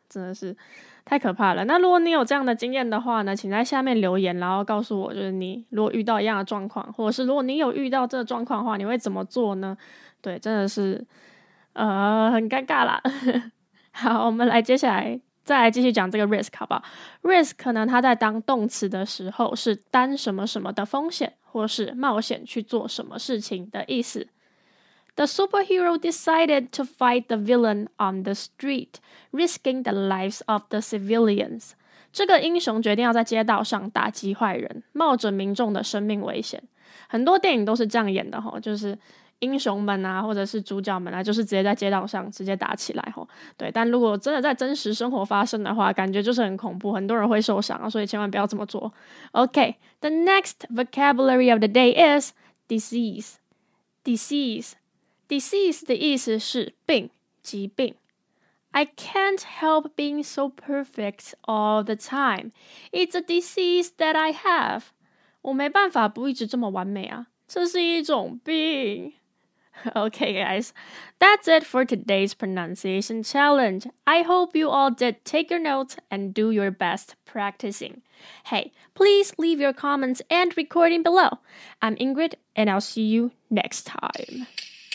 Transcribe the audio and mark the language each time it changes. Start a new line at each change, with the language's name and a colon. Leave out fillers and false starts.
Chinese: 真的是太可怕了。那如果你有这样的经验的话呢，请在下面留言，然后告诉我，就是你如果遇到一样的状况，或者是如果你有遇到这个状况的话，你会怎么做呢？对，真的是很尴尬啦。好，我们来接下来再来继续讲这个 risk 好不好。 risk 呢，它在当动词的时候是担什么什么的风险，或是冒险去做什么事情的意思。
English: The superhero decided to fight the villain on the street, risking the lives of the civilians.
Chinese: 这个英雄决定要在街道上打击坏人，冒着民众的生命危险。很多电影都是这样演的，就是英雄们啊，或者是主角们啊，就是直接在街道上直接打起来。对，但如果真的在真实生活发生的话，感觉就是很恐怖，很多人会受伤，所以千万不要这么做。
English: Okay, the next vocabulary of the day is disease. Disease
Chinese: 的意思是病，疾病。
English: I can't help being so perfect all the time. It's a disease that I have.
Chinese: 我没办法不一直这么完美啊，这是一种病。
English: Okay, guys, that's it for today's pronunciation challenge. I hope you all did take your notes and do your best practicing. Hey, please leave your comments and recording below. I'm Ingrid, and I'll see you next time.